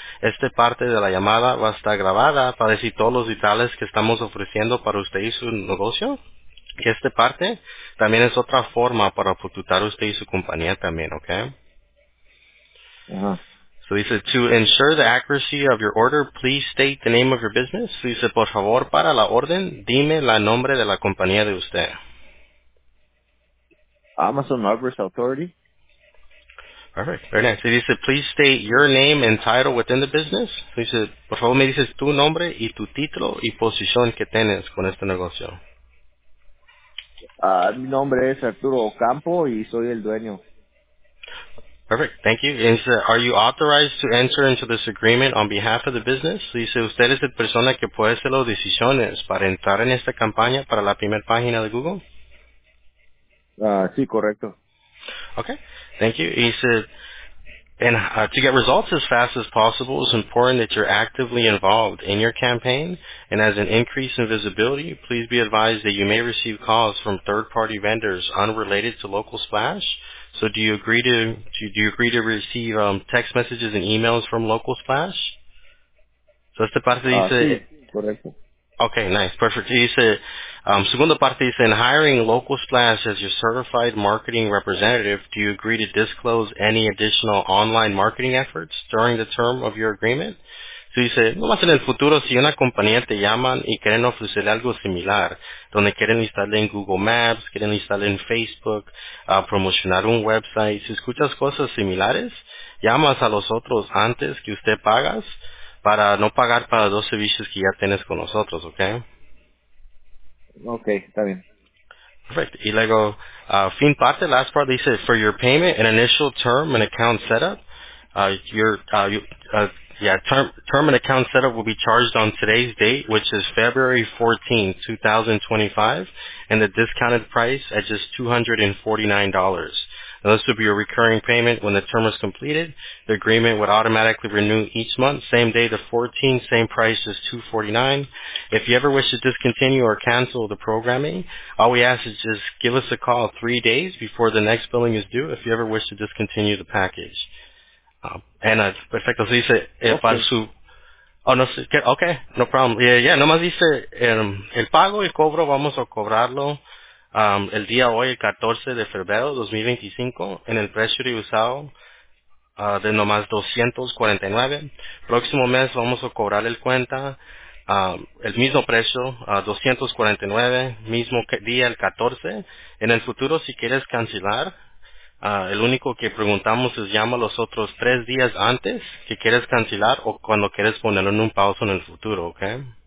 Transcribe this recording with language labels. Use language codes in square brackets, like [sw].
[es] Esta parte de la llamada va a estar grabada para decir todos los detalles que estamos ofreciendo para usted y su negocio. Y esta parte también es otra forma para facultar usted y su compañía también, okay? [en] So he said, to ensure the accuracy of your order, please state the name of your business. So he said, [es] por favor, para la orden, dime la nombre de la compañía de usted. [en] Amazon Marvelous Authority. Perfect. Very nice. So he said, please state your name and title within the business. So he said, [es] por favor, me dices tu nombre y tu título y posición que tienes con este negocio. Mi nombre es Arturo Ocampo y soy el dueño. [en] Perfect, thank you. And so, are you authorized to enter into this agreement on behalf of the business? [es] So dice, ¿usted es la persona que puede hacer las decisiones para entrar en esta campaña para la primera página de Google? Sí, correcto. [en] Okay, thank you. And he said, and to get results as fast as possible, it's important that you're actively involved in your campaign. And as an increase in visibility, please be advised that you may receive calls from third-party vendors unrelated to Local Splash. So do you agree to receive text messages and emails from Local Splash? [es] So esta parte dice... sí, correcto. [en] Okay, nice, perfect. [es] Dice, segunda parte dice, [en] in hiring Local Splash as your certified marketing representative, do you agree to disclose any additional online marketing efforts during the term of your agreement? [es] So dice, no más en el futuro, si una compañía te llaman y quieren ofrecerle algo similar, donde quieren instalarle en Google Maps, quieren instalarle en Facebook, promocionar un website, si escuchas cosas similares, llamas a los otros antes que usted pagas para no pagar para dos servicios que ya tienes con nosotros, ¿ok? Ok, está bien. [en] Perfect. [es] Y luego, fin parte, [en] last part, dice, for your payment, an initial term, an account setup, term and account setup will be charged on today's date, which is February 14, 2025, and the discounted price at just $249. Now, this will be a recurring payment when the term is completed. The agreement would automatically renew each month, same day, the 14th, same price as $249. If you ever wish to discontinue or cancel the programming, all we ask is just give us a call 3 days before the next billing is due if you ever wish to discontinue the package. [es] Ana, perfecto, se dice, okay. Para su, oh, no sé, [en] ok, no problem, yeah, [es] nomás dice, el pago y cobro vamos a cobrarlo el día hoy, el 14 de febrero 2025, en el precio de usado de nomás $249, próximo mes vamos a cobrar el cuenta, el mismo precio, $249, mismo día, el 14, en el futuro, si quieres cancelar, el único que preguntamos es llama los otros 3 días antes que quieres cancelar o cuando quieres ponerlo en un pauso en el futuro, ¿ok?